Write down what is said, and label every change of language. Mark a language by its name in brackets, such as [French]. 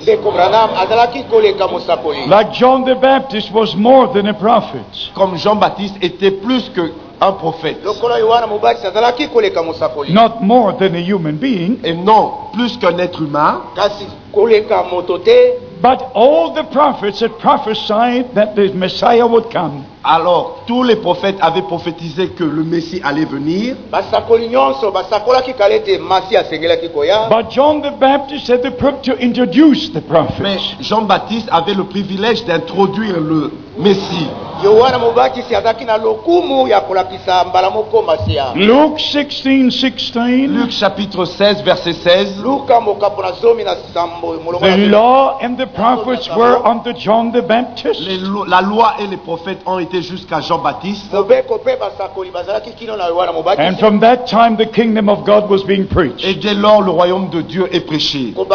[English] Like John the Baptist was more than a prophet. [French] Comme Jean-Baptiste était plus que un prophète. [English] Not more than a human being. [French] Et non, plus qu'un être humain. [English] But all the prophets had prophesied that the Messiah would come. [French] Alors, tous les prophètes avaient prophétisé que le Messie allait venir. [English] But John the Baptist had the privilege to introduce the prophet. [French] Mais Jean-Baptiste avait le privilège d'introduire le Messie. [English] Luke 16:16. [French] Luke chapitre 16, verset 16. [English] The law and the prophets were unto John the Baptist. [French] La loi et les prophètes ont été jusqu'à Jean Baptiste. [English] And from that time, the kingdom of God was being preached. [French] Et dès lors, le royaume de Dieu est prêché.